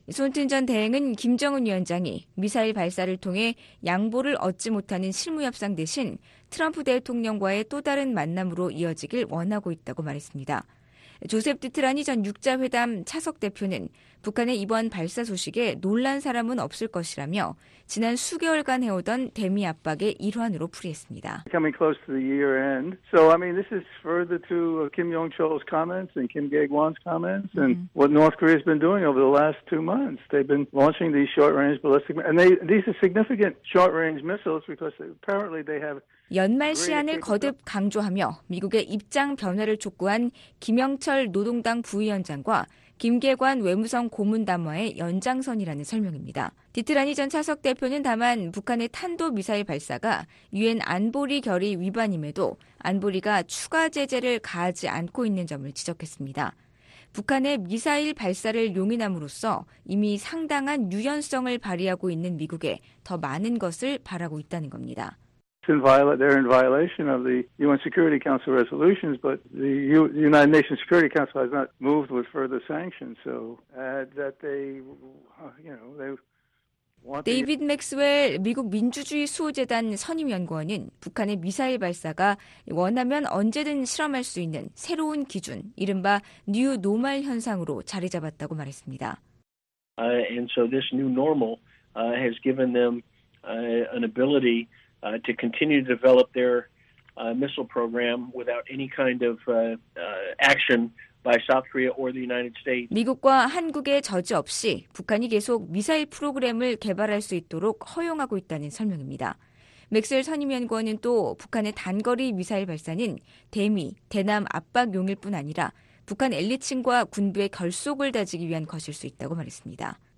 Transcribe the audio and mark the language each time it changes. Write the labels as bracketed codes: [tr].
[ko] 손튼 전 대행은 김정은 위원장이 미사일 발사를 통해 양보를 얻지 못하는 실무 협상 대신 트럼프 대통령과의 또 다른 만남으로 이어지길 원하고 있다고 말했습니다. 조셉 드트라니 전 6자회담 차석 대표는 북한의 이번 발사 소식에 놀란 사람은 없을 것이라며 지난 수개월간 해오던 대미 압박의 일환으로 풀이했습니다. [en] Coming close to the year end. So I mean this is further to Kim Jong-chol's comments and Kim Gae-gwan's comments and what North Korea's been doing over the last two months. They've been launching these short-range ballistic and these are significant short-range missiles because apparently they have [ko] 연말 시한을 거듭 강조하며 미국의 입장 변화를 촉구한 김영철 노동당 부위원장과 김계관 외무성 고문 담화의 연장선이라는 설명입니다. 디트라니 전 차석 대표는 다만 북한의 탄도미사일 발사가 유엔 안보리 결의 위반임에도 안보리가 추가 제재를 가하지 않고 있는 점을 지적했습니다. 북한의 미사일 발사를 용인함으로써 이미 상당한 유연성을 발휘하고 있는 미국에 더 많은 것을 바라고 있다는 겁니다. [en] They're in violation of the UN Security Council resolutions, but the United Nations Security Council has not moved with further sanctions. So that they, you know, they want. [ko] 데이비드 맥스웰 미국 민주주의 수호재단 선임연구원은 북한의 미사일 발사가 원하면 언제든 실험할 수 있는 새로운 기준, 이른바 뉴 노멀 현상으로 자리 잡았다고 말했습니다. [en] And so this new normal has given them an ability. To continue to develop their missile program without any kind of action by South Korea or the United States. [ko] 미국과 한국의 저지 없이 북한이 계속 미사일 프로그램을 개발할 수 있도록 허용하고 있다는 설명입니다. 맥스웰 선임연구원은 또 북한의 단거리 미사일 발사는 대미, 대남 압박용일 뿐 아니라 북한 엘리층과 군부의 결속을 다지기 위한 것일 수 있다고 말했습니다.